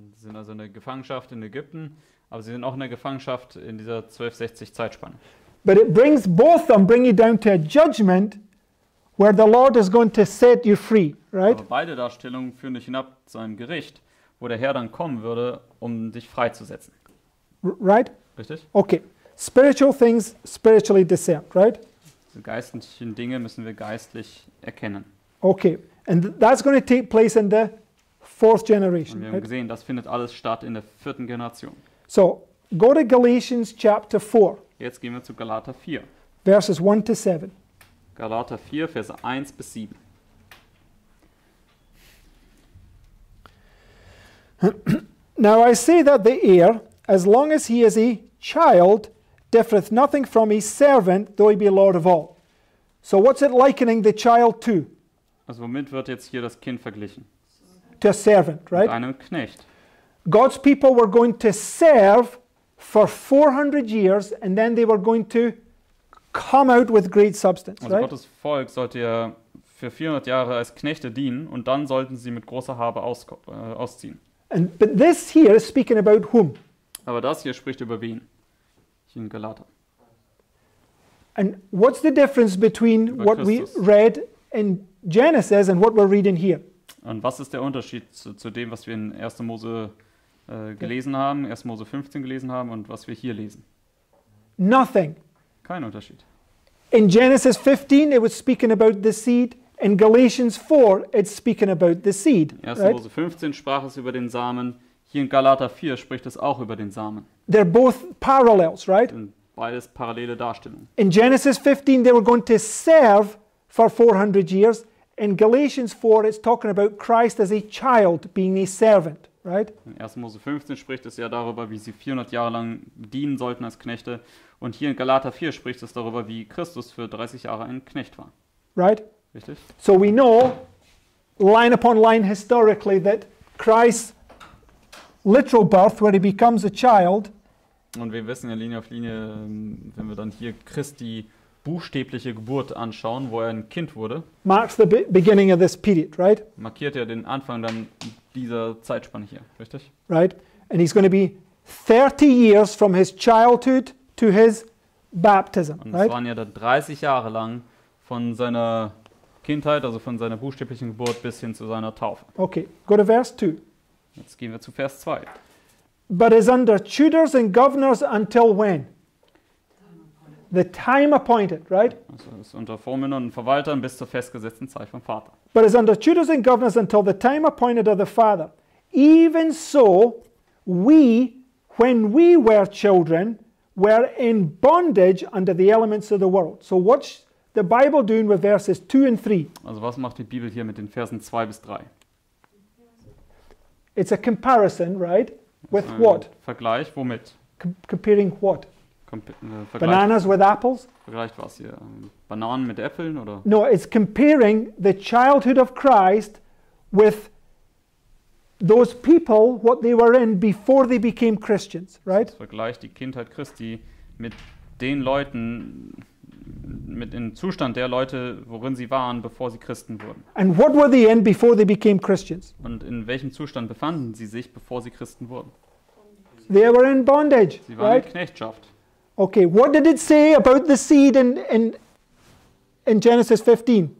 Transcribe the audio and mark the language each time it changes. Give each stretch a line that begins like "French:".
German: Sie sind also in der Gefangenschaft in Ägypten, aber sie sind auch in der Gefangenschaft in dieser 1260 Zeitspanne.
English: But it brings both of them, bring you down to a judgment where the Lord is going to set you free, right?
German: Aber beide Darstellungen führen dich hinab zu einem Gericht, wo der Herr dann kommen würde, um dich freizusetzen.
English: Right?
German: Richtig?
English: Okay. Spiritual things spiritually discerned, right?
German: Die geistlichen Dinge müssen wir geistlich erkennen.
English: Okay. And that's going to take place in the fourth generation.
German: Und wir haben gesehen, das findet alles statt in der vierten Generation.
English: So, go to Galatians chapter 4.
German: Jetzt gehen wir zu Galater 4.
English: Verses 1 to 7.
German: Galater 4, Verse 1 bis 7.
English: Now I say that the heir, as long as he is a child, differeth nothing from a servant, though he be Lord of all. So what's it likening the child to?
German: Also womit wird jetzt hier das Kind verglichen?
English: To a servant, right?
German: Mit einem Knecht.
English: God's people were going to serve for 400 years and then they were going to come out with great substance,
German: also
English: right?
German: Gottes Volk sollte ja für 400 Jahre als Knechte dienen und dann sollten sie mit großer Habe ausziehen.
English: And, but this here is speaking about whom?
German: Aber das hier spricht über wen? In Galater.
English: And what's the difference between
German: über
English: what
German: Christus.
English: We read in Genesis and what we're reading here?
German: Und was ist der Unterschied zu dem, was wir in 1. Mose gelesen haben, 1. Mose 15 gelesen haben und was wir hier lesen?
English: Nothing.
German: Kein Unterschied.
English: In Genesis 15, it was speaking about the seed. In Galatians 4, it's speaking about the seed.
German: In 1. Mose 15 sprach es über den Samen. Hier in Galater 4 spricht es auch über den Samen.
English: They're both parallels, right?
German: Sind beides parallele Darstellungen.
English: In Genesis 15, they were going to serve for 400 years. In Galatians 4, it's talking about Christ as a child being a servant. Right?
German: In 1. Mose 15 spricht es ja darüber, wie sie 400 Jahre lang dienen sollten als Knechte. Und hier in Galater 4 spricht es darüber, wie Christus für 30 Jahre ein Knecht war.
English: Right?
German: Richtig?
English: So we know, line upon line historically, that Christ's literal birth, where he becomes a child.
German: Und wir wissen ja Linie auf Linie, wenn wir dann hier Christi buchstäbliche Geburt anschauen, wo er ein Kind wurde.
English: Marks the beginning of this period, right?
German: Markiert ja den Anfang dann dieser Zeitspanne hier, richtig?
English: Right. And he's going to be 30 years from his childhood to his baptism, right?
German: Und es waren ja dann 30 Jahre lang von seiner Kindheit, also von seiner buchstäblichen Geburt bis hin zu seiner Taufe.
English: Okay, go to verse 2.
German: Jetzt gehen wir zu Vers 2.
English: But is under tutors and governors until when? The time appointed, right?
German: Also ist unter Vormündern und Verwaltern bis zur festgesetzten Zeit vom Vater.
English: But is under tutors and governors until the time appointed of the Father. Even so, we, when we were children, were in bondage under the elements of the world. So what's the Bible doing with verses 2 and 3?
German: Also was macht die Bibel hier mit den Versen 2 bis 3?
English: It's a comparison, right? With what?
German: Vergleich womit?
English: Comparing what? Bananas with apples?
German: Vielleicht was hier Bananen mit Äpfeln oder?
English: No, it's comparing the childhood of Christ with those people, what they were in before they became Christians, right?
German: Vergleicht die Kindheit Christi mit den Leuten, mit dem Zustand der Leute, worin sie waren, bevor sie Christen wurden.
English: And what were they in before they became Christians?
German: Und in welchem Zustand befanden sie sich, bevor sie Christen wurden?
English: They were in bondage,
German: sie waren
English: right?
German: In Knechtschaft.
English: Okay, what did it say about the seed in Genesis 15?